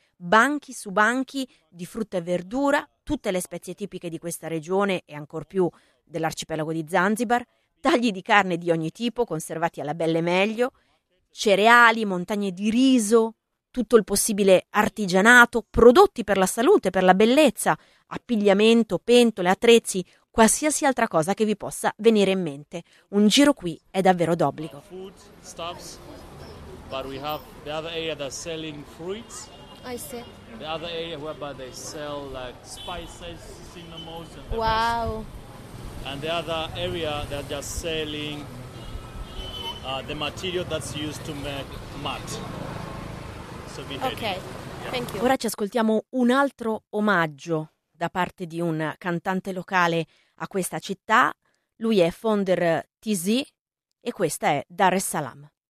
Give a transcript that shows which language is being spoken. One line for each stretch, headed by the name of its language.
Italian: Banchi su banchi di frutta e verdura, tutte le spezie tipiche di questa regione e ancor più dell'arcipelago di Zanzibar, tagli di carne di ogni tipo conservati alla belle meglio, cereali, montagne di riso, tutto il possibile artigianato, prodotti per la salute, per la bellezza, abbigliamento, pentole, attrezzi, qualsiasi altra cosa che vi possa venire in mente. Un giro qui è davvero d'obbligo.
English: Food stuffs, but we have the other area that's selling fruits. I see. The other area whereby they sell like spices, cinnamons. And the wow. Rest. And the other area they're just selling the material that's used to make mat. So be ok, yeah. Thank you.
Italian: Ora ci ascoltiamo un altro omaggio da parte di un cantante locale a questa città. Lui è Fonder TZ e questa è Dar es Salaam.